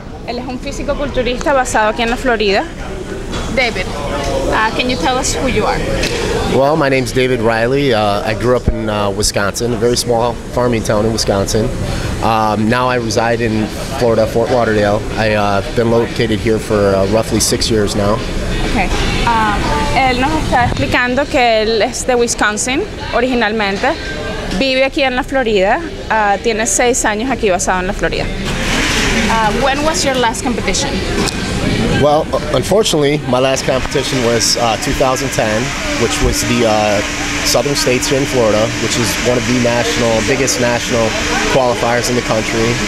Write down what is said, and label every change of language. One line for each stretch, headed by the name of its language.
Spanish: Él es un físico culturista basado aquí en la Florida.
English: David, can you tell us who you are? Well, my name's David Reilly. I grew up in Wisconsin, a very small farming town in Wisconsin. Now I reside in Florida, Fort Lauderdale. I've been located here for roughly 6 years now. Okay.
Spanish: Él nos está explicando que él es de Wisconsin originalmente, vive aquí en la Florida, tiene 6 años aquí basado en la Florida.
English: When was your last competition? Well, unfortunately, my last competition was 2010, which was the Southern States here in Florida, which is one of the biggest national qualifiers in the country.